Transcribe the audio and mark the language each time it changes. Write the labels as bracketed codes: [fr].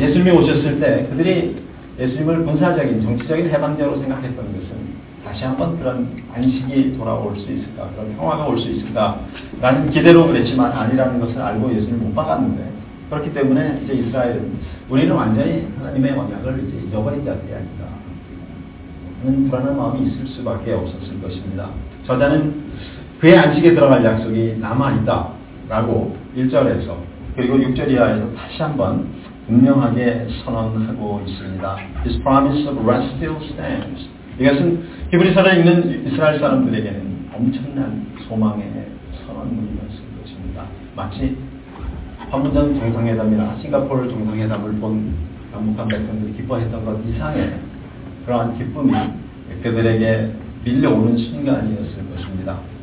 [ko] 예수님이 오셨을 때 그들이 예수님을 군사적인 정치적인 해방자로 생각했던 것은 다시 한번 그런 안식이 돌아올 수 있을까, 그런 평화가 올 수 있을까 라는 기대로 그랬지만 아니라는 것을 알고 예수님을 못 박았는데, 그렇기 때문에 이제 이스라엘은 우리는 완전히 하나님의 언약을 이제 잊어버린 자들이 아닌가 하는 불안한 마음이 있을 수밖에 없었을 것입니다. 저자는 그의 안식에 들어갈 약속이 남아있다 라고 1절에서 그리고 6절 이하에서 다시 한번 분명하게 선언하고 있습니다. [en] This promise of rest still stands. [ko] 이것은 히브리서를 읽는 이스라엘 사람들에게는 엄청난 소망의 선언문이었을 것입니다. 마치 판문점 정상회담이나 싱가포르 정상회담을 본 남북한 백성들이 기뻐했던 것 이상의 그러한 기쁨이 그들에게 밀려오는 순간이었을 것입니다.